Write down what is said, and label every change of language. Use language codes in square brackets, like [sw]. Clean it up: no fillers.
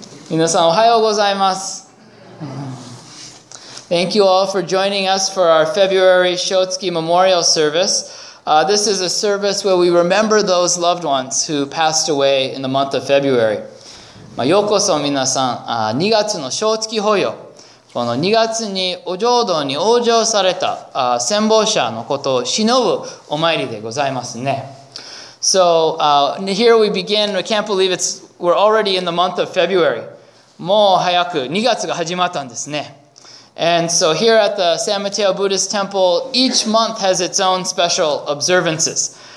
[ja] 皆さん、おはようございます。 [en] Thank you all for joining us for our February Shotsuki Memorial Service. This is a service where we remember those loved ones who passed away in the month of February. [ja] ようこそ皆さん、2月の Shotsuki Hoyo。この2月にお浄土に往生された戦没者のことをしのぶお参りでございますね。 [en] So, here we begin. I can't believe we're already in the month of February. [ja] もう早く2月が始まったんですね。 [en] And so here at the San Mateo Buddhist Temple, each month has its own special observances.